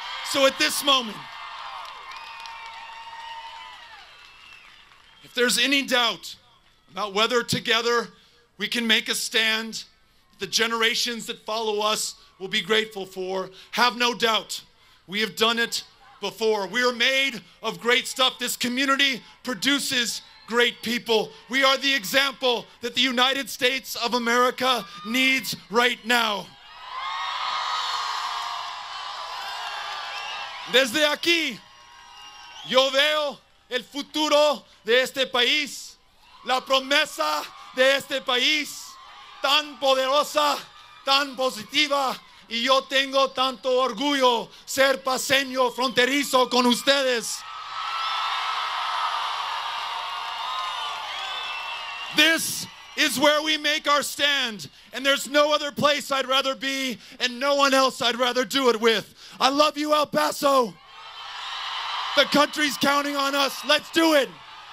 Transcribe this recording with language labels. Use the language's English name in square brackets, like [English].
[English] So at this moment, if there's any doubt about whether together we can make a stand that the generations that follow us will be grateful for, have no doubt, we have done it before. We are made of great stuff. This community produces great people. We are the example that the United States of America needs right now. [Spanish] Desde aquí, yo veo el futuro de este país, la promesa de este país, tan poderosa, tan positiva. Y yo tengo tanto orgullo ser paseño fronterizo con ustedes. [English] This is where we make our stand, and there's no other place I'd rather be, and no one else I'd rather do it with. I love you, El Paso. The country's counting on us. Let's do it.